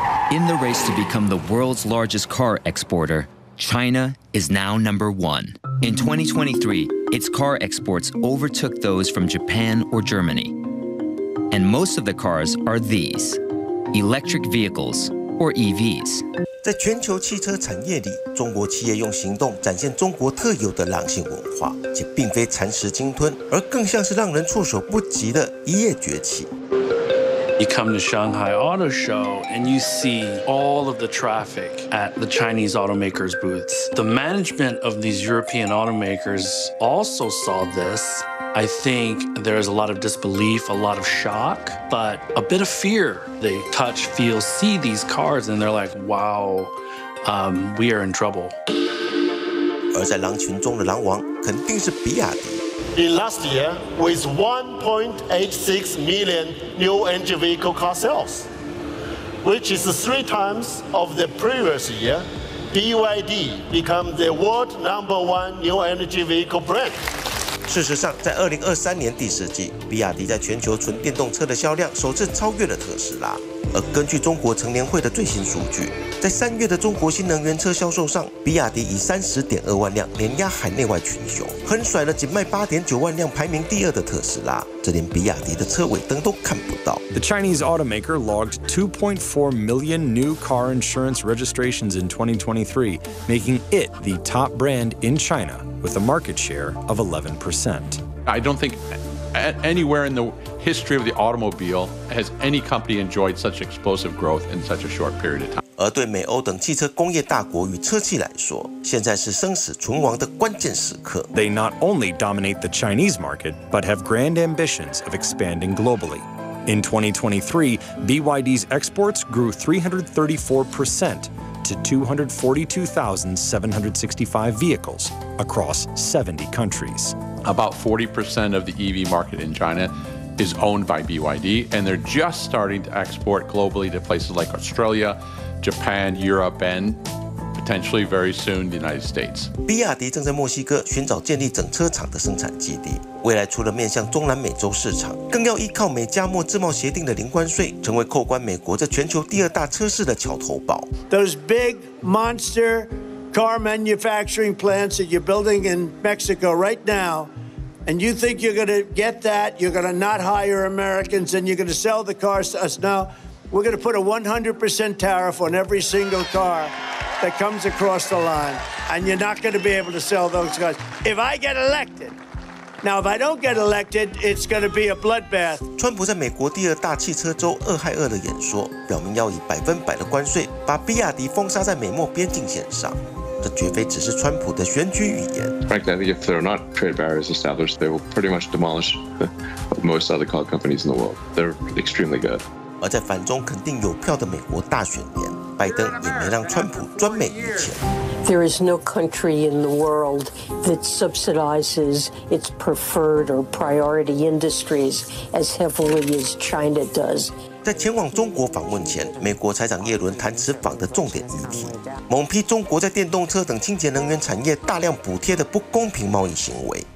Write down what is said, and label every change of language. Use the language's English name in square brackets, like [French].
[English] In the race to become the world's largest car exporter, China is now number one. In 2023, its car exports overtook those from Japan or Germany. And most of the cars are these, electric vehicles or EVs. [Chinese] 在全球汽车产业里，中国企业用行动展现中国特有的狼性文化，且并非蚕食鲸吞，而更像是让人措手不及的一夜崛起。 [English] You come to Shanghai Auto Show and you see all of the traffic at the Chinese automakers' booths. The management of these European automakers also saw this. I think there is a lot of disbelief, a lot of shock, but a bit of fear. They touch, feel, see these cars and they're like, wow, we are in trouble. [Chinese] 而在狼群中的狼王肯定是比亚迪。 [English] In last year, with 1.86 million new engine vehicle car sales, which is three times of the previous year, BYD became the world number one new energy vehicle brand. [Chinese] 事实上，在2023年第四季，比亚迪在全球纯电动车的销量首次超越了特斯拉。而根据中国乘联会的最新数据，在三月的中国新能源车销售上，比亚迪以30.2万辆碾压海内外群雄，横甩了仅卖8.9万辆排名第二的特斯拉，这连比亚迪的车尾灯都看不到。 [English] The Chinese automaker logged 2.4 million new car insurance registrations in 2023, making it the top brand in China with a market share of 11%. I don't think anywhere in the history of the automobile has any company enjoyed such explosive growth in such a short period of time. [Chinese] 而对美欧等汽车工业大国与车企来说，现在是生死存亡的关键时刻。 [English] They not only dominate the Chinese market, but have grand ambitions of expanding globally. In 2023, BYD's exports grew 334% to 242,765 vehicles across 70 countries. About 40% of the EV market in China is owned by BYD, and they're just starting to export globally to places like Australia, Japan, Europe, and potentially very soon the United States. [Chinese] 比亚迪正在墨西哥寻找建立整车厂的生产基地，未来除了面向中南美洲市场，更要依靠美加墨自贸协定的零关税，成为扣关美国在全球第二大车市的桥头堡。 [English] Those big monster car manufacturing plants that you're building in Mexico right now. And you think you're going to get that, you're going to not hire Americans, and you're going to sell the cars to us. Now, we're going to put a 100% tariff on every single car that comes across the line, and you're not going to be able to sell those cars. If I get elected, now, if I don't get elected, it's going to be a bloodbath. [Chinese] 川普在美国第二大汽车州俄亥俄的演说，表明要以百分百的关税把比亚迪封杀在美墨边境线上。这绝非只是川普的选举语言。 [English] Frankly, I think if there are not trade barriers established, they will pretty much demolish most other car companies in the world. They're extremely good. [Chinese] 而在反中肯定有票的美国大选年，拜登也没让川普专美一枪。 [English] There is no country in the world that subsidizes its preferred or priority industries as heavily as China does. [Chinese] 在前往中国访问前，美国财长耶伦谈此访的重点议题，猛批中国在电动车等清洁能源产业大量补贴的不公平贸易行为。